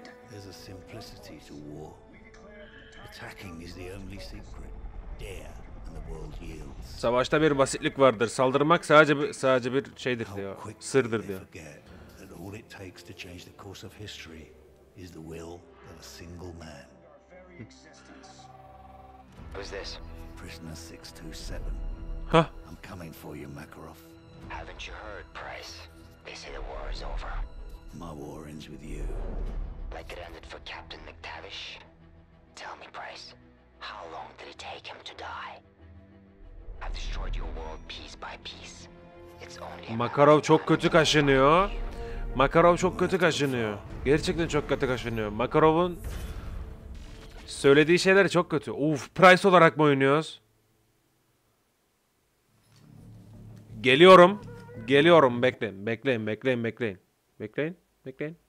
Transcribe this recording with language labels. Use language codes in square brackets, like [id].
[en] There's a simplicity to war. Attacking is the only secret. Dare and the world yields. [tr] Savaşta bir basitlik vardır. Saldırmak sadece bir şeydir diyor. Sırdır diyor. [en] And all it takes to change the course of history is the will of a single man. Who's this? Prisoner 627. Huh? I'm coming for you, Makarov. Haven't you heard, Price? They say the war is over. My war ends with you. Like it ended for Captain McTavish. Tell me, Price, how long did it take him to die? I've destroyed your world piece by piece. It's only [tr] Makarov çok kötü kaşınıyor. Makarov çok kötü kaşınıyor. Gerçekten çok kötü kaşınıyor. Makarov'un söylediği şeyler çok kötü. Uf, Price olarak mı oynuyoruz? Geliyorum. Geliyorum. Bekleyin. Bekleyin. Bekleyin. Bekleyin. Bekleyin. Bekleyin.